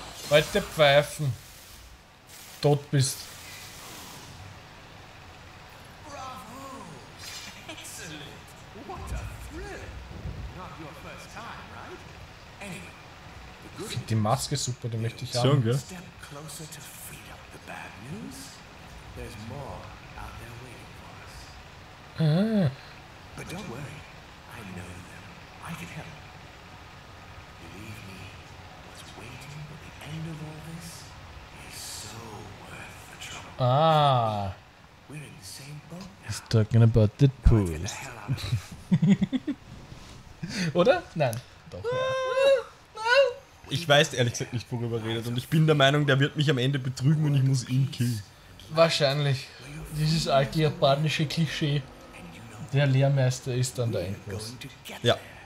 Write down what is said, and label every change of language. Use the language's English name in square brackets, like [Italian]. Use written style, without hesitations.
[German] Heute pfeifen. Tot bist. Die Maske ist super, die möchte ich haben. Schon, gell? [English] Step closer to freedom. The bad news? There's more out there waiting for us. But don't worry. I know them. I can help. Believe me, what's waiting at the end of all this is so worth the trouble. Ah. We're in the same boat now. He's talking about the pool. [German] Oder? Nein. Doch, ja. Ich weiß ehrlich gesagt nicht, worüber er redet, und ich bin der Meinung, der wird mich am Ende betrügen und ich muss ihn killen. Wahrscheinlich. Dieses alte japanische Klischee. Der Lehrmeister ist dann der Endboss. Ja.